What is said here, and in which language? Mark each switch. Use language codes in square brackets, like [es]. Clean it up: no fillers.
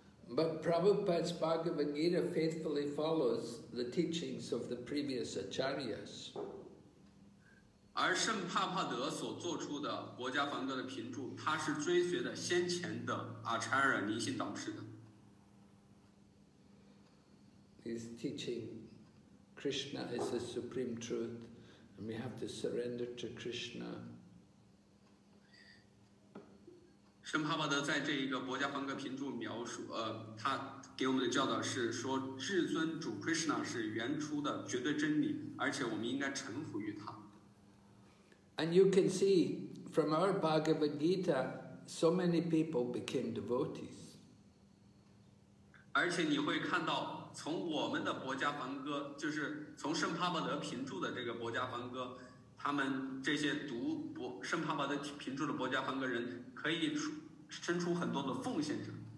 [en] But Prabhupada's Bhagavad Gita faithfully follows the teachings of the previous acharyas. [zh] 而圣帕帕德所做出的薄伽梵歌的评注，他是追随的先前的阿查尔明星导师的。 [en] He's teaching Krishna is the supreme truth, and we have to surrender to Krishna. [zh] 圣帕帕德在这一个薄伽梵歌评注描述，他给我们的教导是说，至尊主 Krishna 是原初的绝对真理，而且我们应该臣服于他。 [en] And you can see from our Bhagavad Gita, so many people became devotees. [zh] 而且你会看到从我们的伯家梵歌，就是从圣帕巴德评注的这个伯家梵歌，他们这些读圣帕巴德评注的伯家梵歌人可以伸出很多的奉献者。